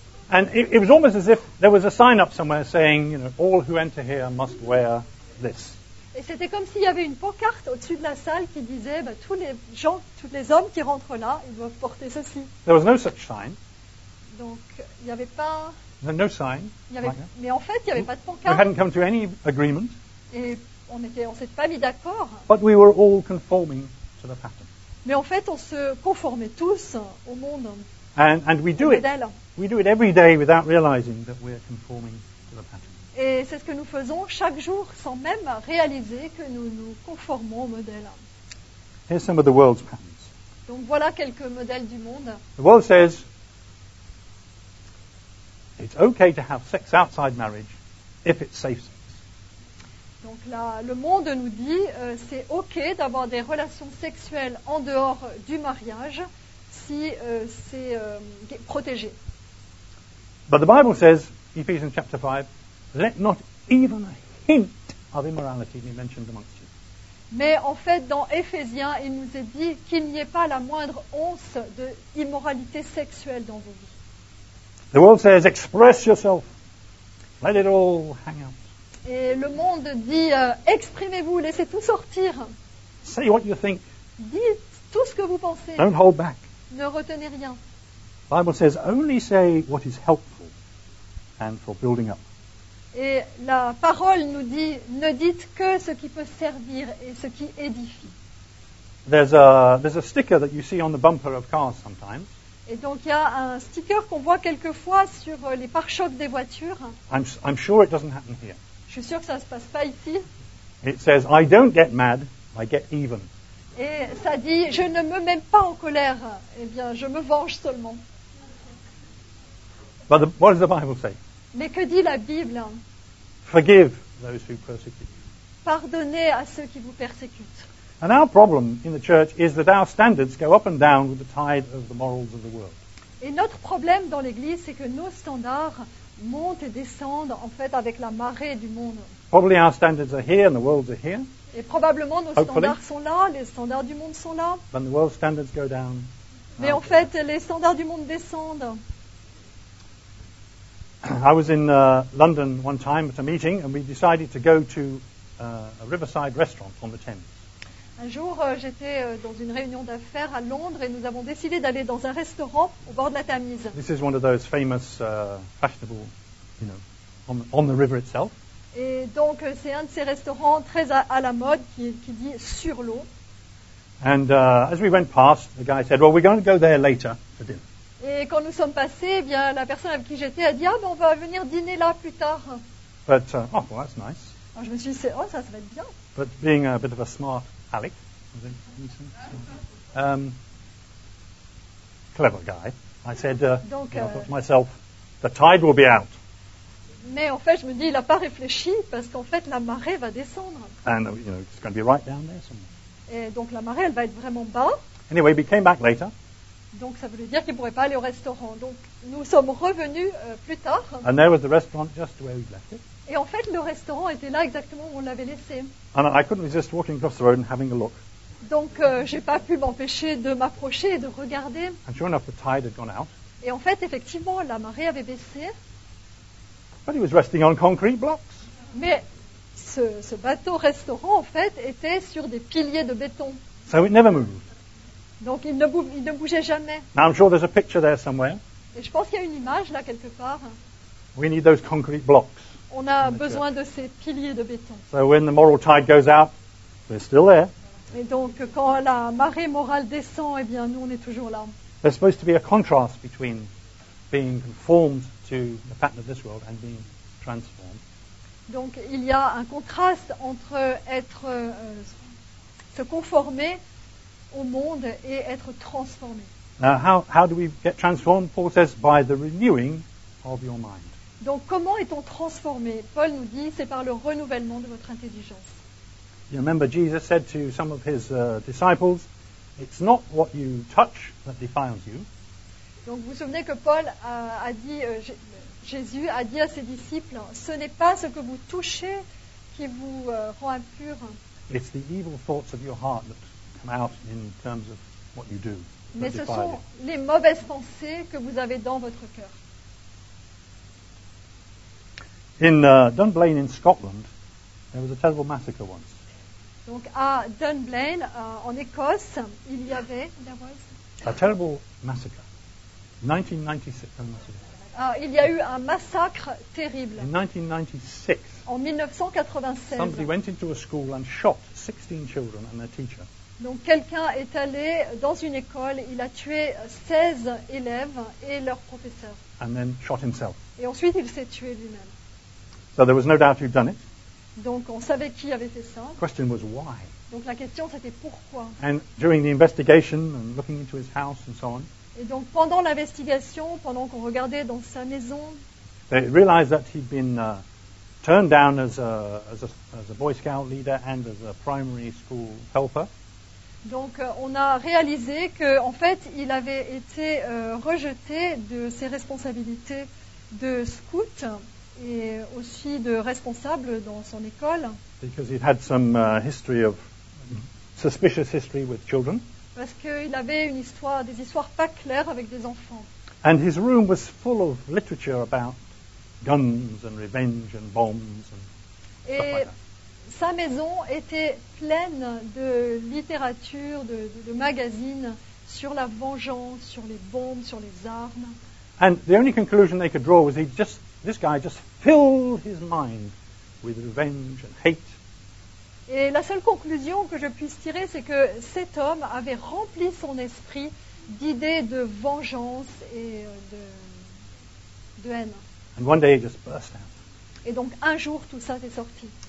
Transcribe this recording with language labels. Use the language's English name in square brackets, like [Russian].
[English] And it was almost as if there was a sign up somewhere saying, you know, all who enter here must wear this. [French] Et c'était comme s'il y avait une pancarte au-dessus de la salle qui disait bah, tous les gens, tous les hommes qui rentrent là, ils doivent porter ceci. [English] There was no such sign. [French] Donc, il n'y avait pas... [English] No sign. [French] Y avait, like mais en fait, il n'y avait pas de pancarte. [English] We hadn't come to any agreement. [French] Et on ne s'était pas mis d'accord. [English] But we were all conforming to the pattern. [French] Mais en fait, on se conformait tous au monde. [English] And we do it. We do it every day without realizing that we're conforming to the pattern. [French] Et c'est ce que nous faisons chaque jour sans même réaliser que nous nous conformons au modèle. [English] Here's some of the world's patterns. [French] Donc voilà quelques modèles du monde. [English] The world says it's okay to have sex outside marriage if it's safe sex. [French] Donc là, le monde nous dit c'est okay d'avoir des relations sexuelles en dehors du mariage si c'est protégé. [English] But the Bible says, Ephesians chapter 5, let not even a hint of immorality be mentioned amongst you. [French] Mais en fait, dans Éphésiens, il nous est dit qu'il n'y ait pas la moindre once de immoralité sexuelle dans vos vies. [English] The world says, express yourself. Let it all hang out. [French] Et le monde dit, exprimez-vous, laissez tout sortir. [English] Say what you think. [French] Dites tout ce que vous pensez. [English] Don't hold back. [French] Ne retenez rien. [English] The Bible says, only say what is helpful and for building up. [French] Et la parole nous dit, ne dites que ce qui peut servir et ce qui édifie. [English] There's a sticker that you see on the bumper of cars sometimes. [French] Et donc il y a un sticker qu'on voit quelquefois sur les pare-chocs des voitures. [English] I'm sure it doesn't happen here. [French] Je suis sûr que ça ne se passe pas ici. [English] It says, I don't get mad, I get even. [French] Et ça dit, je ne me mets pas en colère, eh bien, je me venge seulement. [English] But what does the Bible say? [French] Mais que dit la Bible? [English] Forgive those who persecute. [French] Pardonnez à ceux qui vous persécutent. [English] And our problem in the church is that our standards go up and down with the tide of the morals of the world. [French] Et notre problème dans l'Église, c'est que nos standards montent et descendent en fait avec la marée du monde. [English] Probably our standards are here and the world's are here. [French] Et probablement nos [English] Hopefully. [French] Standards sont là, les standards du monde sont là. [English] But the world's standards go down. [French] Mais en fait, les standards du monde descendent. [English] I was in London one time at a meeting and we decided to go to a riverside restaurant on the Thames. [French] Un jour, j'étais dans une réunion d'affaires à Londres et nous avons décidé d'aller dans un restaurant au bord de la Tamise. [English] This is one of those famous fashionable, you know, on the river itself. [French] Et donc c'est un de ces restaurants très à la mode qui dit sur l'eau. [English] And as we went past, the guy said, "Well, we're going to go there later for dinner." [French] Et quand nous sommes passés, eh bien, la personne avec qui j'étais a dit « Ah, ben, on va venir dîner là plus tard. » [English] Oh, well, that's nice. [French] Alors, je me suis dit « Oh, ça va être bien. » [English] But being a bit of a smart aleck, was it? Clever guy. I said, [French] Donc, [English] I thought to myself, the tide will be out. [French] Mais en fait, je me dis, il n'a pas réfléchi parce qu'en fait, la marée va descendre. [English] And, you know, it's going to be right down there somewhere. [French] Et donc, la marée, elle va être vraiment bas. [English] Anyway, we came back later. [French] Donc ça voulait dire qu'il ne pourrait pas aller au restaurant. Donc nous sommes revenus plus tard. [English] And there was the restaurant just where we'd left it. [French] Et en fait, le restaurant était là exactement où on l'avait laissé. [English] And I couldn't resist walking across the road and having a look. [French] Donc j'ai pas pu m'empêcher de m'approcher et de regarder. [English] And sure enough, the tide had gone out. [French] Et en fait, effectivement, la marée avait baissé. [English] But it was resting on concrete blocks. [French] Mais ce bateau-restaurant, en fait, était sur des piliers de béton. [English] So it never moved. [French] Donc il ne bougeait jamais. [English] Now I'm sure there's a picture there somewhere. [French] Et je pense qu'il y a une image là quelque part. [English] We need those concrete blocks. [French] On a besoin de ces piliers de béton. [English] So when the moral tide goes out, we're still there. [French] Et donc quand la marée morale descend, eh bien nous on est toujours là. [English] There's supposed to be a contrast between being conformed to the pattern of this world and being transformed. [French] Donc il y a un contraste entre être se conformer au monde et être transformé. [English] Now, how do we get transformed? Paul says, by the renewing of your mind. [French] Donc, comment est-on transformé? Paul nous dit, c'est par le renouvellement de votre intelligence. [English] You remember Jesus said to some of his disciples, it's not what you touch that defiles you. [French] Donc, vous souvenez que Paul a dit, Jésus a dit à ses disciples, ce n'est pas ce que vous touchez qui vous rend impur. [English] It's the evil thoughts of your heart that come out in terms of what you do. [French] Mais ce sont les mauvaises pensées que vous avez dans votre cœur. [English] In Dunblane in Scotland, there was a terrible massacre once. [French] Donc à Dunblane, en Écosse, il y avait [English] a terrible massacre. 1996. [French] Il y a eu un massacre terrible. [English] In 1996. [French] En 1996. [English] Somebody went into a school and shot 16 children and their teacher. [French] Donc quelqu'un est allé dans une école, il a tué 16 élèves et leur professeur. [English] And then shot himself. [French] Et ensuite il s'est tué lui-même. [English] So there was no doubt who'd done it. [French] Donc on savait qui avait fait ça. [English] Question was why. [French] Donc la question c'était pourquoi. [English] And during the investigation and looking into his house and so on. [French] Et donc pendant l'investigation, pendant qu'on regardait dans sa maison, [English] they realized that he'd been turned down as a Boy Scout leader and as a primary school helper. [French] Donc on a réalisé qu'en fait il avait été rejeté de ses responsabilités de scout et aussi de responsable dans son école. [English] Because he'd had some history of suspicious history with children. [French] Parce qu'il avait une histoire, des histoires pas claires avec des enfants. [English] And his room was full of literature about guns and revenge and bombs and [French] et [English] stuff like that. [French] Sa maison était pleine de littérature, de magazines sur la vengeance, sur les bombes, sur les armes. [English] And the only conclusion they could draw was this guy just filled his mind with revenge and hate. [French] Et la seule conclusion que je puisse tirer, c'est que cet homme avait rempli son esprit d'idées de vengeance et de haine. [English] And one day it just burst out. [French] Et donc un jour, tout ça est sorti.